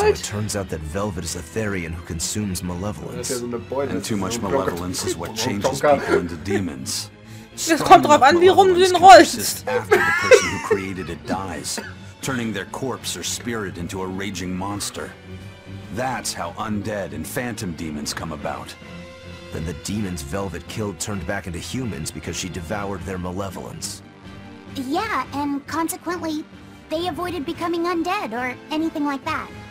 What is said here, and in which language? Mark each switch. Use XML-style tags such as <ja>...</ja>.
<en>So it turns out that Velvet is a Therian who consumes malevolence. And too much malevolence is what changes people into demons.</en> <de>Es kommt drauf an, wie rum du den rollst.</de> <en>After the person who created it dies, turning their corpse or spirit into a raging monster. That's how undead and phantom demons come about. Then the demons Velvet killed turned back into humans because she devoured their malevolence. Yeah, and consequently, they avoided becoming undead or anything like that.</en>